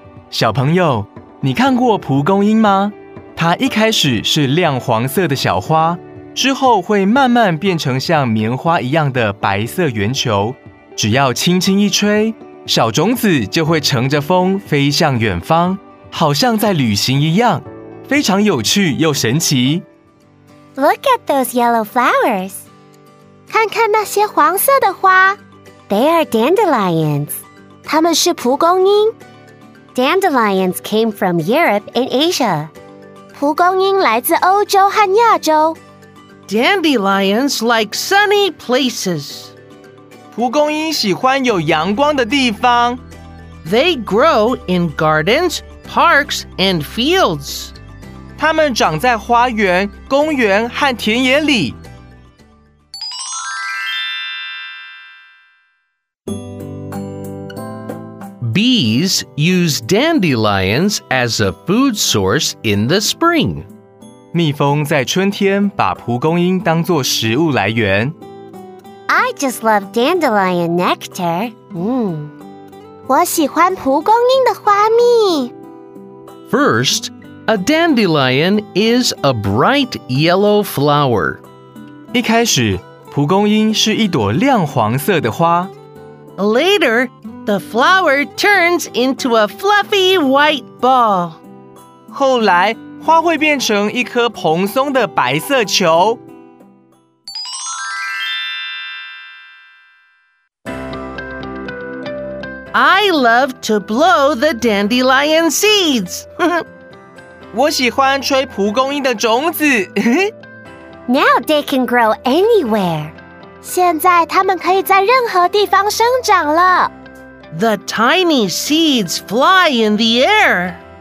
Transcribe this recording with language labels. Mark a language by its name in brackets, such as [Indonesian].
[Chinese] 小朋友你看过蒲公英吗它一开始是亮黄色的小花，之后会慢慢变成像棉花一样的白色圆球。只要轻轻一吹，小种子就会乘着风飞向远方，好像在旅行一样，非常有趣又神奇。 [English] Look at those yellow flowers. [Chinese] 看看那些黄色的花。 [English] They are dandelions. [Chinese] 它们是蒲公英。 [English] Dandelions came from Europe and Asia. [Chinese] 蒲公英来自欧洲和亚洲。 [English] Dandelions like sunny places. [Chinese] 蒲公英喜欢有阳光的地方。 [English] They grow in gardens, parks, and fields. [Chinese] 它们长在花园、公园和田野里。 [English] Bees use dandelions as a food source in the spring. [Chinese] 蜜蜂在春天把蒲公英当作食物来源。 [English] I just love dandelion nectar. [Chinese] 我喜欢蒲公英的花蜜。 [English] First, a dandelion is a bright yellow flower. [Chinese] 一开始，蒲公英是一朵亮黄色的花。 [English] Later, the flower turns into a fluffy white ball. [Chinese] 后来，花会变成一颗蓬松的白色球。 [English] I love to blow the dandelion seeds. [Chinese] 我喜欢吹蒲公英的种子。 [English] Now they can grow anywhere. [Chinese] 现在它们可以在任何地方生长了。 [English] The tiny seeds fly in the air.